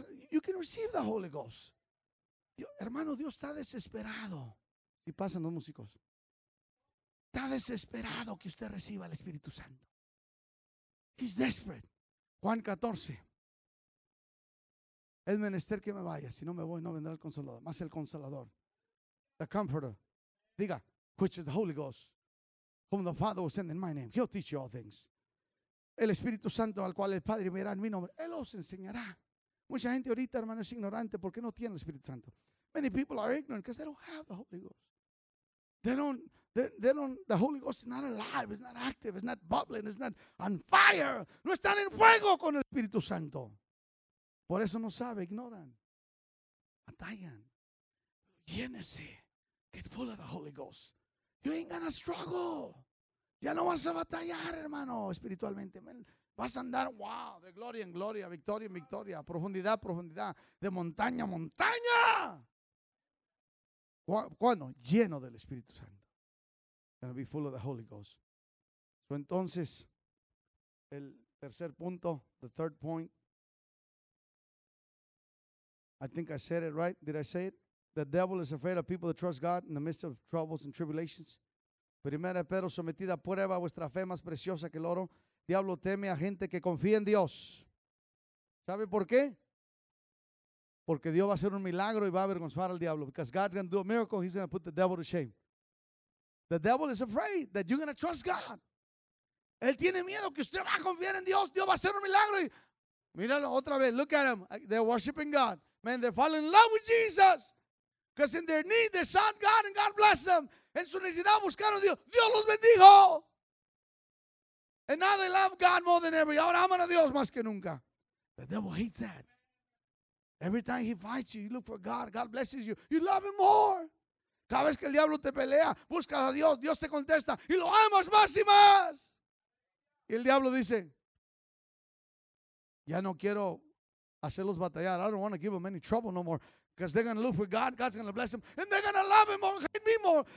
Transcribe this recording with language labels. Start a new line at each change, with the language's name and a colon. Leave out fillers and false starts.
English: You can receive the Holy Ghost.
Spanish: Dios, hermano, Dios está desesperado. Y pasan los músicos. Está desesperado que usted reciba el Espíritu Santo.
English: He's desperate.
Spanish: Juan 14. Es menester que me vaya. Si no me voy, no vendrá el Consolador. Más el Consolador.
English: The Comforter. Diga, which is the Holy Ghost, whom the Father will send in my name. He'll teach you all things.
Spanish: El Espíritu Santo al cual el Padre me dará en mi nombre. Él os enseñará. Mucha gente ahorita, hermano, es ignorante porque no tiene el Espíritu Santo.
English: Many people are ignorant because they don't have the Holy Ghost. They don't, They don't, the Holy Ghost is not alive, it's not active, it's not bubbling, it's not on fire.
Spanish: No están en fuego con el Espíritu Santo. Por eso no sabe, ignoran. Atallan. Llénese.
English: Get full of the Holy Ghost. You ain't gonna struggle.
Spanish: Ya no vas a batallar, hermano, espiritualmente. Vas a andar, wow, de gloria en gloria, victoria en victoria, profundidad, profundidad, de montaña a montaña. ¿Cuándo? Lleno del Espíritu Santo.
English: Gonna be full of the Holy Ghost.
Spanish: So entonces, el tercer punto,
English: the third point. I think I said it right. Did I say it? The devil is afraid of people that trust God in the midst of troubles and tribulations.
Spanish: Primera Pedro, sometida a prueba, vuestra fe más preciosa que el oro. Diablo teme a gente que confía en Dios. ¿Sabe por qué? Porque Dios va a hacer un milagro y va a avergonzar al diablo.
English: Because God's gonna do a miracle, he's gonna put the devil to shame. The devil is afraid that you're going to trust God.
Spanish: Él tiene miedo que usted va a confiar en Dios. Dios va a hacer un milagro. Míralo otra vez.
English: Look at them. They're worshiping God. Man, they're falling in love with Jesus. Because in their need, they sought God and God blessed them.
Spanish: En su necesidad buscaron a Dios. Dios los bendijo.
English: And now they love God more than ever.
Spanish: Ahora aman a Dios más que nunca.
English: The devil hates that. Every time he fights you, you look for God. God blesses you. You love him more.
Spanish: Cada vez que el diablo te pelea, buscas a Dios, Dios te contesta, y lo amas más y más. Y el diablo dice, ya no quiero hacerlos batallar,
English: I don't want to give them any trouble no more, because they're going to look for God, God's going to bless them, and they're going to love him more, hate me more.